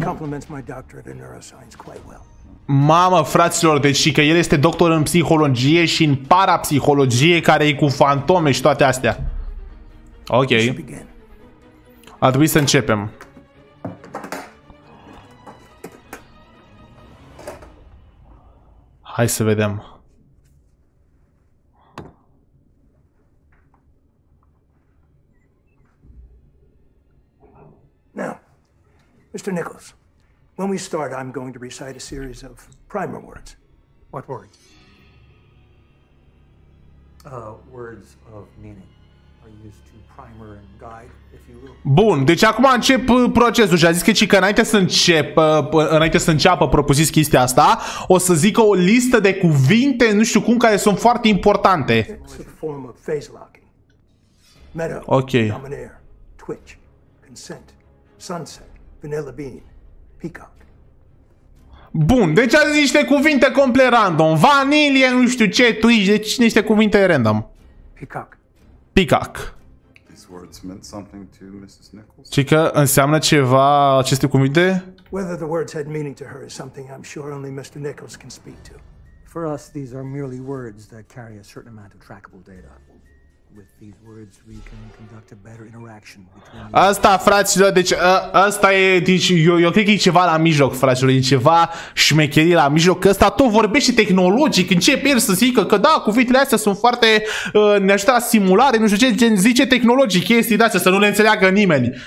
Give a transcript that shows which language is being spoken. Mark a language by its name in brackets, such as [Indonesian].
[English] compliments my doctorate in neuroscience quite well. [Romanian] Mamă, fraților, deci și că el este doctor în psihologie și în parapsihologie, care e cu fantome și toate astea. Ok. Ar trebui să începem. Hai să vedem. [English] Now, Mr. Nichols, when we start, I'm going to recite a series of primer words. What words? Words of meaning are used to primer and guide, if you will. [Romanian] Bun, deci acum încep procesul. Și a zis că, înainte să înceapă propriu-zis chestia asta, o să zică o listă de cuvinte, nu știu cum, care sunt foarte importante. [English] It's a form of phase locking. Meadow, okay. Dominaire, twitch, consent, sunset, vanilla bean, peacock. [Romanian] Bun, deci azi niște cuvinte complet random. Vanilie, nu știu ce, twitch, deci niște cuvinte random. [English] Peacock. Peacock. These words meant something to Mrs. Nichols. [Romanian] Și că înseamnă ceva aceste cuvinte? [English] Whether the words had meaning to her is something I'm sure only Mr. Nichols can speak to. For us, these are merely words that carry a certain amount of trackable data. With these words, we can conduct a better interaction between. [Romanian] Asta, fraților, deci asta e, deci eu cred că e ceva la mijloc, fraților, e ceva șmecherie la mijloc. Că ăsta tot vorbește tehnologic, începe el să zică că da, cuvintele astea sunt foarte ne ajută la simulare, nu știu ce, gen zice tehnologic, chestii de astea, să nu le înțeleagă nimeni.